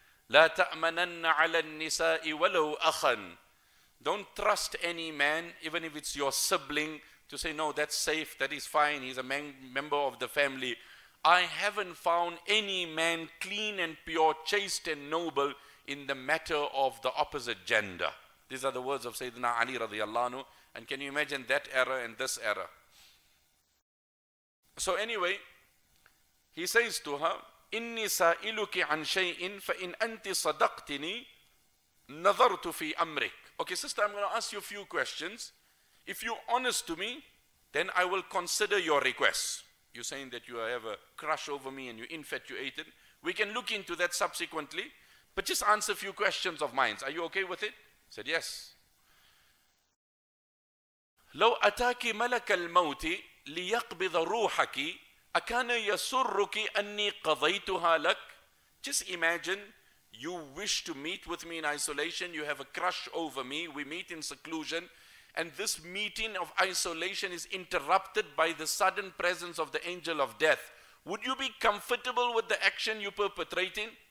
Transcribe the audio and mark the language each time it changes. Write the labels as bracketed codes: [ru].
[ar] لا تأمنن على النساء ولو أخا. [en] Don't trust any man, even if it's your sibling, to say, no, that's safe, that is fine, he's a member of the family. I haven't found any man clean and pure, chaste and noble in the matter of the opposite gender. These are the words of Sayyidina Ali radiallahu anhu. And can you imagine that era and this era? So anyway, he says to her, [ar] إني سائلك عن شيء فإن أنت صدقتني نظرت في أمرك. [en] Okay, sister, I'm going to ask you a few questions. If you're honest to me, then I will consider your request. You're saying that you have a crush over me and you're infatuated. We can look into that subsequently. But just answer a few questions of mine. Are you okay with it? I said, yes. [ar] لو أتاك ملك الموت ليقبض روحك أكان يسرك أني قضيتها لك. [en] Just imagine you wish to meet with me in isolation, you have a crush over me, we meet in seclusion, and this meeting of isolation is interrupted by the sudden presence of the angel of death, would you be comfortable with the action you're perpetrating?